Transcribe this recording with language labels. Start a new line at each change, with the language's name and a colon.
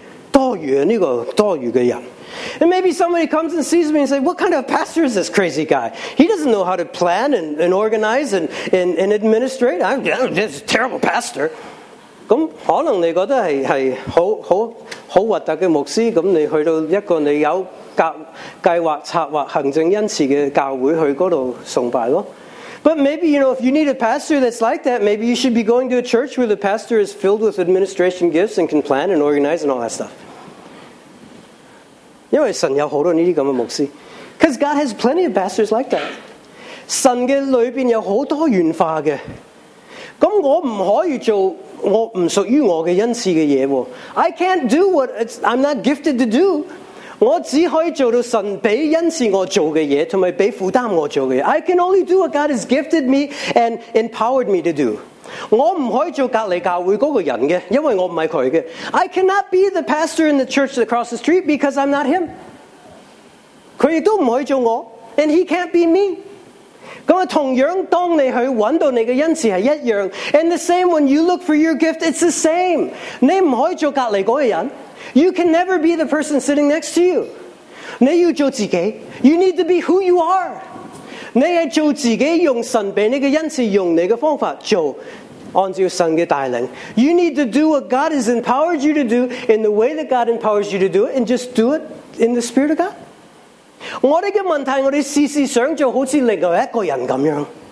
Chinese: 多余啊，这个多余的人。
English: And maybe somebody comes and sees me and says, what kind of pastor is this crazy guy? He doesn't know how to plan and organize and administrate. I'm just a terrible pastor.
Chinese: 咁可能你觉得系好核突嘅牧师，咁你去到一个你有计划、策划、行政恩赐嘅教会去嗰度崇拜咯。
English: But maybe, you know, if you need a pastor that's like that, maybe you should be going to a church where the pastor is filled with administration gifts and can plan and organize and all that stuff.
Chinese: 因为神有好多呢啲咁嘅牧师。
English: Because God has plenty of pastors like that.
Chinese: 神嘅里边有好多元化嘅。咁我唔可以做我唔属于我嘅恩赐嘅嘢喎。
English: I can't do what I'm not gifted to do.
Chinese: 我只可以做到神俾恩赐我做嘅嘢，同埋俾负担我做嘅嘢。
English: I can only do what God has gifted me and empowered me to do.
Chinese: 我唔可以做隔篱教会嗰个人嘅，因为我唔系佢嘅。
English: I cannot be the pastor in the church across the street because I'm not him.
Chinese: 佢亦都唔可以做我
English: ，and he can't be me.
Chinese: 咁啊，同样当你去揾到你嘅恩赐系一样
English: ，and the same when you look for your gift, it's the same.
Chinese: 你唔可以做隔篱嗰个人。
English: You can never be the person sitting next to you.
Chinese: 你要做自己。
English: You need to be who you are.
Chinese: 你系做自己，用神俾你嘅恩赐，用你嘅方法做，按照神嘅带领。
English: You need to do what God has empowered you to do in the way that God empowers you to do it, and just do it in the spirit of God.
Chinese: 我哋嘅问题，我哋时时想做好似另外一个人咁样。